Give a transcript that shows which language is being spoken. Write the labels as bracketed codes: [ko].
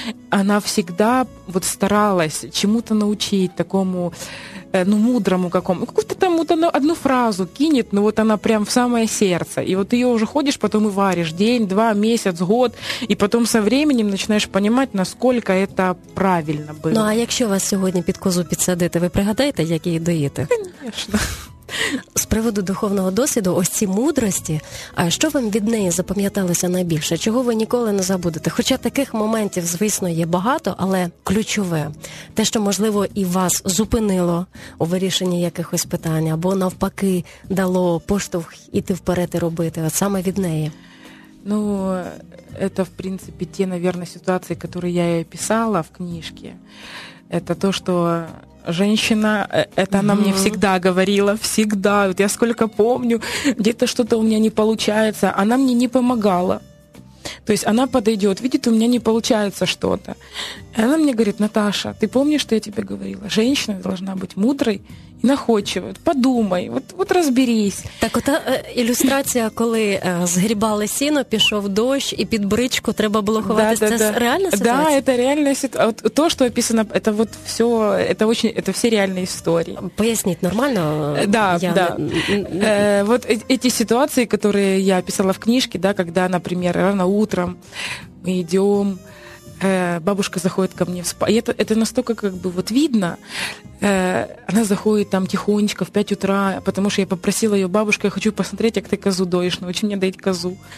[ru] Она всегда вот старалась чему-то научить такому, ну, мудрому какому. Какую-то там вот она одну фразу кинет, ну вот она прям в самое сердце. И вот ее уже ходишь, потом и варишь день, два, месяц, год. И потом со временем начинаешь понимать, насколько это правильно было. [uk] Ну, а якщо вас сьогодні під козу підсадити, ви пригадаєте, як її доїти? [ru] Конечно. [uk] З приводу духовного досвіду, ось ці мудрості, а що вам від неї запам'яталося найбільше? Чого ви ніколи не забудете? Хоча таких моментів, звісно, є багато, але ключове. Те, що, можливо, і вас зупинило у вирішенні якихось питань, або навпаки дало поштовх іти вперед і робити, от саме від неї. Ну, це, в принципі, ті, мабуть, ситуації, які я і писала в книжці. Це те, що... [ru] Женщина, это она мне всегда говорила, всегда, вот я сколько помню, где-то что-то у меня не получается, она мне не помогала, то есть она подойдет, видит, у меня не получается что-то, и она мне говорит: Наташа, ты помнишь, что я тебе говорила, женщина должна быть мудрой и находчивой, подумай, вот, вот разберись. Так вот иллюстрация, [uk] коли сгрібали сіно, пішов дощ, и під бричку треба було ховатися, [ru] да, да, [uk] це реальна ситуація? [ru] Да, это реальная ситуация. Вот то, что описано, это вот все, это очень, это все реальные истории. Пояснить нормально? Да, я... да. Вот эти ситуации, которые я описала в книжке, да, когда, например, рано утром мы идем, бабушка заходит ко мне в спальню, и это настолько как бы вот видно, она заходит там тихонечко в 5 утра, потому что я попросила ее: бабушка, я хочу посмотреть, как ты козу доишь, научи мне доить козу.